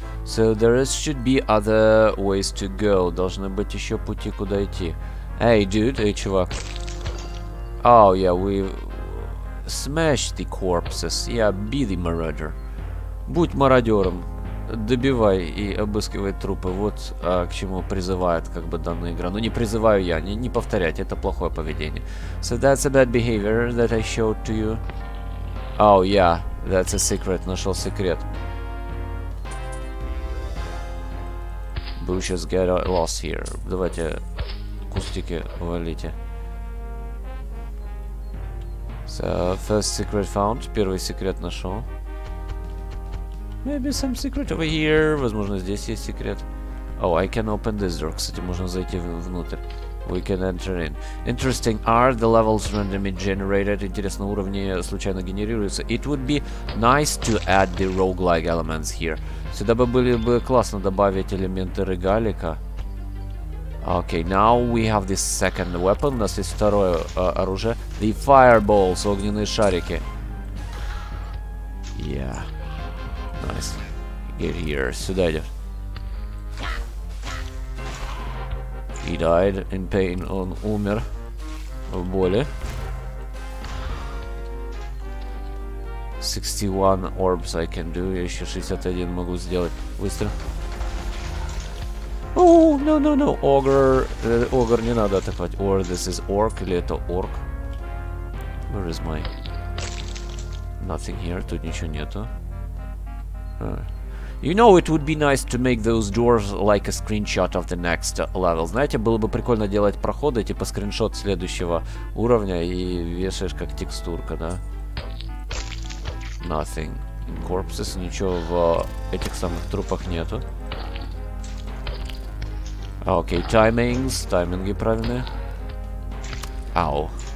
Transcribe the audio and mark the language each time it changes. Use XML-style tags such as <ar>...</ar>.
<en>So there is, should be other ways to go.</en> <ru>Должны быть еще пути, куда идти.</ru> <en>Hey, dude. Hey, чувак. Oh, yeah, we... Smash the corpses. Yeah, be the marauder.</en> <ru>Будь мародером. Добивай и обыскивай трупы. Вот к чему призывает, как бы, данная игра. Но не призываю я. Не повторять. Это плохое поведение.</ru> <en>So that's a bad behavior that I showed to you. Oh, yeah. That's a secret.</en> <ru>Нашел секрет.</ru> <en>Bushes get lost here.</en> <ru>Давайте кустики валите.</ru> <en>So, first secret found.</en> <ru>Первый секрет нашел.</ru> <en>Maybe some secret over here.</en> <ru>Возможно, здесь есть секрет.</ru> <en>Oh, I can open this door.</en> <ru>Кстати, можно зайти внутрь.</ru> <en>We can enter in. Interesting art. The levels randomly generated.</en> <ru>Интересно, уровни случайно генерируются.</ru> <en>It would be nice to add the roguelike elements here.</en> <ru>Сюда бы было бы классно добавить элементы регалика.</ru> <en>Okay, now we have this second weapon.</en> <ru>У нас есть второе оружие.</ru> <en>The fireballs,</en> <ru>огненные шарики.</ru> <en>Yeah. Nice. Get here.</en> <ru>Сюда идем.</ru> <en>He died in pain.</en> <ru>Он умер в боли.</ru> <en>61 orbs I can do.</en> <ru>Я еще 61 могу сделать. Быстро.</ru> <en>Oh, no, no, no. Ogre. Ogre</en> <ru>не надо атаковать.</ru> <en>Or this is orc.</en> <ru>Или это</ru> <en>orc. Where is my... Nothing here.</en> <ru>Тут ничего нету.</ru> <en>You know, it would be nice to make those doors like a screenshot of the next level.</en> <ru>Знаете, было бы прикольно делать проходы, типа скриншот следующего уровня и вешаешь как текстурка, да?</ru> <en>Nothing in corpses,</en> <ru>ничего в этих самых трупах нету.</ru> <en>Okay, timings,</en> <ru>тайминги правильные.</ru> <en>Ow.</en>